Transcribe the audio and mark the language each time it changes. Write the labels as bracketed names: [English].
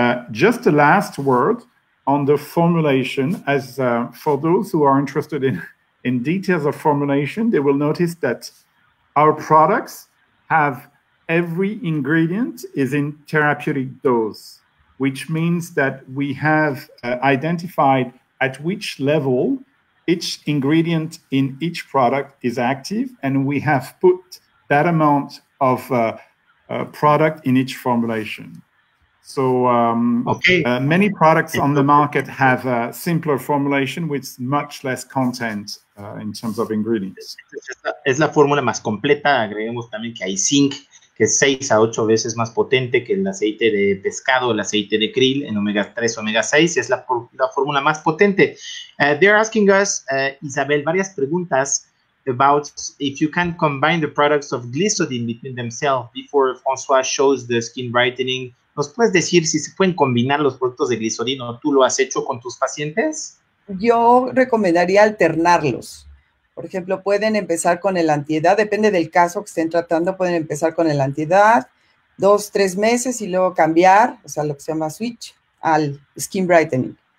[English] Just a last word on the formulation, as for those who are interested in details of formulation, they will notice that our products have every ingredient is in therapeutic dose, which means that we have identified at which level each ingredient in each product is active, and we have put that amount of product in each formulation. So many products on the market have a simpler formulation with much less content in terms of ingredients. [Spanish] Es la fórmula más completa. Agreguemos también que hay zinc, que es 6 a 8 veces más potente que el aceite de pescado, el aceite de krill en omega 3, omega 6. Es la fórmula más potente. [English] They're asking us, Isabel, [Spanish] varias preguntas [English] about if you can combine the products of glycidine between themselves before François shows the skin brightening. [Spanish] ¿Nos puedes decir si se pueden combinar los productos de glycidine o tú lo has hecho con tus pacientes? Yo recomendaría alternarlos. Por ejemplo, pueden empezar con el antiedad, depende del caso que estén tratando, pueden empezar con el antiedad, dos, tres meses y luego cambiar, o sea, lo que se llama switch, al skin brightening.